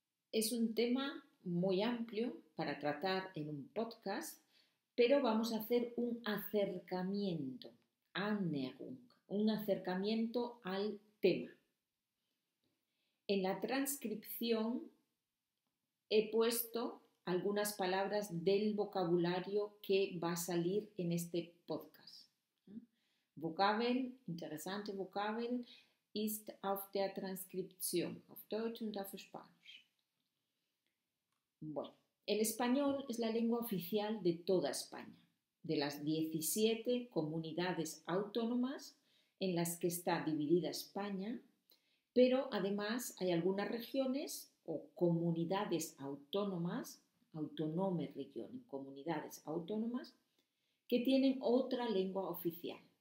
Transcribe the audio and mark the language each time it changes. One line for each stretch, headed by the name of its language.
Spanish: Es un tema muy amplio para tratar en un podcast, pero vamos a hacer un acercamiento, Annäherung, un acercamiento al tema. En la transcripción he puesto algunas palabras del vocabulario que va a salir en este podcast.
German: Vokabeln, interesante Vokabeln, ist auf der Transkription, auf Deutsch und auf Spanisch.
Spanish: Bueno, el español es la lengua oficial de toda España, de las 17 comunidades autónomas en las que está dividida España, pero además hay algunas regiones o comunidades autónomas, autonome region, comunidades autónomas, que tienen otra lengua oficial.